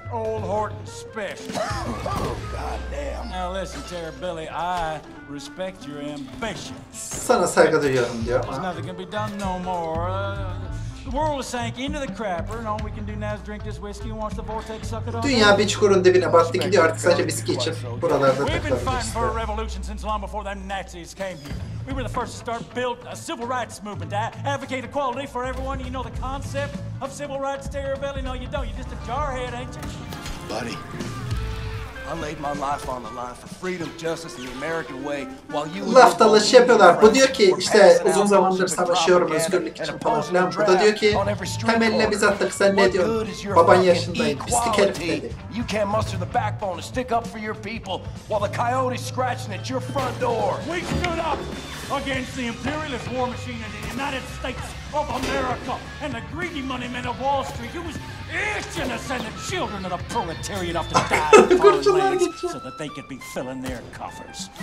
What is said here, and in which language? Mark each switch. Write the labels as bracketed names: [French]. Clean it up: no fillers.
[English] Old Horton special. Oh, goddamn. Now listen, Terribilly, I respect your ambition. [Turkish] Sana saygı duyuyorum diyor. [English] There's nothing can be done no more. The world has sank into the crapper, and all we can do now is drink this whiskey and watch the vortex suck it up. [Turkish] Dünya bir çukurun dibine battı gidiyor, artık sadece viski içip buralarda takılabiliriz. [English] We've been fighting for a revolution since long before them Nazis came here. We were the first to start build a civil rights movement to advocate equality for everyone. You know the concept of civil rights, Terribilly? No, you don't. You're just a jarhead, ain't you? Buddy, I laid my life on the line for freedom, justice, and the American way. While you laugh, the laugh yapıyorlar. [Turkish] Bu diyor ki, işte uzun zamandır savaşıyorum özgürlük için falan filan. Bu da diyor ki, hem eline biz attık, sen ne diyorsun? Baban yaşındayım, pislik herif dedi. [English] You can't muster the backbone to stick up for your people while the coyote's scratching at your front door. We stood up against the imperialist war machine in the United States of America and the greedy money men of Wall Street. It was itching to send the children of the proletariat up to die in foreign lands so that they could be filling their coffers.